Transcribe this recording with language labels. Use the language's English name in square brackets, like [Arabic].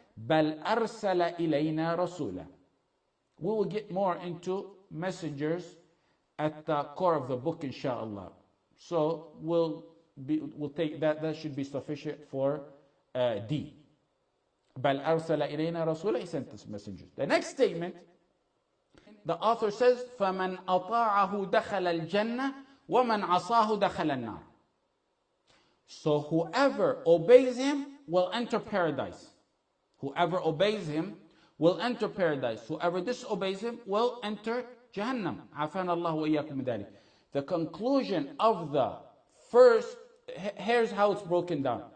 [Arabic] بَلْ أَرْسَلَ إِلَيْنَا رَسُولًا. [English] We will get more into messengers at the core of the book, inshallah. So we'll take that. That should be sufficient for D. [Arabic] بَلْ أَرْسَلَ إِلَيْنَا رَسُولًا. [English] He sent us messengers. The next statement, the author says, [Arabic] فَمَنْ أَطَاعَهُ دَخَلَ الْجَنَّةِ وَمَنْ عَصَاهُ دَخَلَ النَّارِ. [English] So whoever obeys him will enter paradise. Whoever obeys him will enter paradise. Whoever disobeys him will enter Jahannam. [Arabic] عَفَانَ اللَّهُ وَإِيَّاكُمْ مِدَالِي. [English] The conclusion of the first, here's how it's broken down.